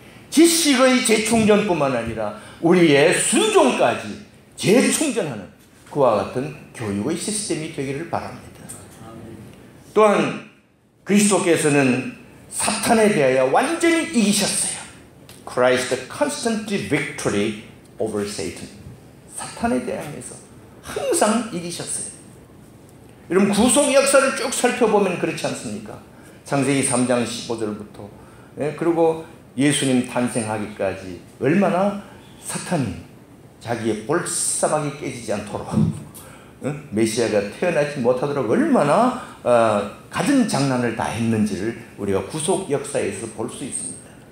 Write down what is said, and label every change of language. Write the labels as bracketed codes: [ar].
[ko] 지식의 재충전뿐만 아니라 우리의 순종까지 재충전하는 그와 같은 교육의 시스템이 되기를 바랍니다. 또한 그리스도께서는 사탄에 대하여 완전히 이기셨어요. [en] Christ constantly victory over Satan. [ko] 사탄에 대하여서 항상 이기셨어요. 여러분 구속 역사를 쭉 살펴보면 그렇지 않습니까? 창세기 3장 15절부터 그리고 예수님 탄생하기까지 얼마나 사탄이 자기의 볼사방이 깨지지 않도록 메시아가 태어나지 못하도록 얼마나 가진 장난을 다 했는지를 우리가 구속 역사에서 볼 수 있습니다.